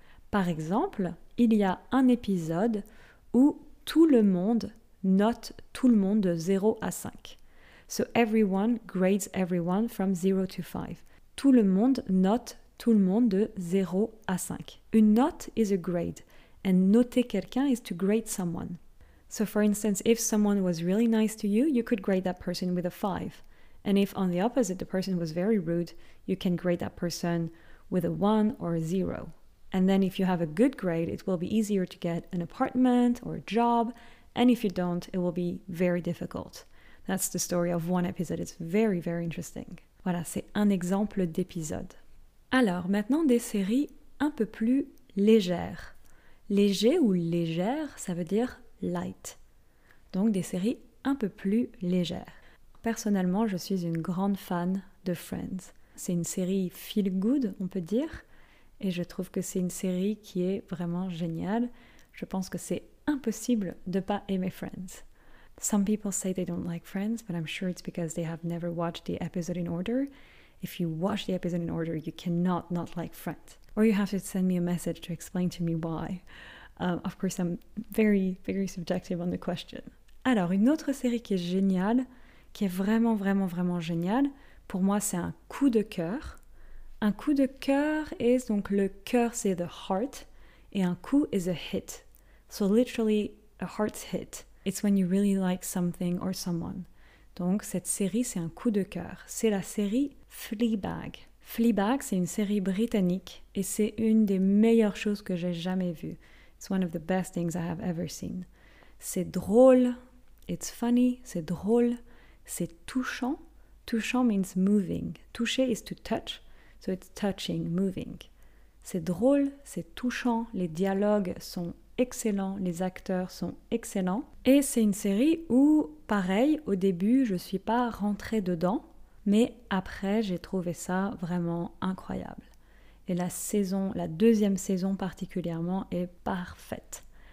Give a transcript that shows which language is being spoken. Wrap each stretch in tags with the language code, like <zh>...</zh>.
<fr>Par exemple, il y a un épisode où tout le monde note tout le monde de 0 à 5.</fr> <en>So everyone grades everyone from 0 to 5.</en> <fr>Tout le monde note tout le monde de 0 à 5.</fr> <en>Une note is a grade. And noter quelqu'un is to grade someone. So for instance, if someone was really nice to you, you could grade that person with a 5. And if on the opposite, the person was very rude, you can grade that person with a 1 or a 0. And then if you have a good grade, it will be easier to get an apartment or a job. And if you don't, it will be very difficult. That's the story of one episode. It's very, very interesting.</en> <fr>Voilà, c'est un exemple d'épisode. Alors, maintenant des séries un peu plus légères. Léger ou légère, ça veut dire light. Donc des séries un peu plus légères. Personnellement, je suis une grande fan de Friends. C'est une série feel good, on peut dire. Et je trouve que c'est une série qui est vraiment géniale. Je pense que c'est impossible de pas aimer Friends.</fr> <en>Some people say they don't like Friends, but I'm sure it's because they have never watched the episode in order. If you watch the episode in order, you cannot not like Friends. Or you have to send me a message to explain to me why. Of course, I'm very, very subjective on the question.</en> <fr>Alors, une autre série qui est géniale, qui est vraiment, vraiment, vraiment géniale, pour moi, c'est un coup de cœur. Un coup de cœur is, donc le cœur, c'est the heart, et un coup is a hit.</fr> <en>So literally, a heart's hit. It's when you really like something or someone.</en> <fr>Donc, cette série, c'est un coup de cœur. C'est la série Fleabag. Fleabag, c'est une série britannique et c'est une des meilleures choses que j'ai jamais vues.</fr> <en>It's one of the best things I have ever seen.</en> <fr>C'est drôle,</fr> <en>it's funny,</en> <fr>c'est drôle, c'est touchant.</fr> <en>Touchant means moving. Toucher is to touch, so it's touching, moving.</en> <fr>C'est drôle, c'est touchant, les dialogues sont excellents, les acteurs sont excellents. Et c'est une série où, pareil, au début, je suis pas rentrée dedans. Mais après, j'ai trouvé ça vraiment incroyable. Et la saison, la deuxième saison particulièrement, est parfaite.</fr>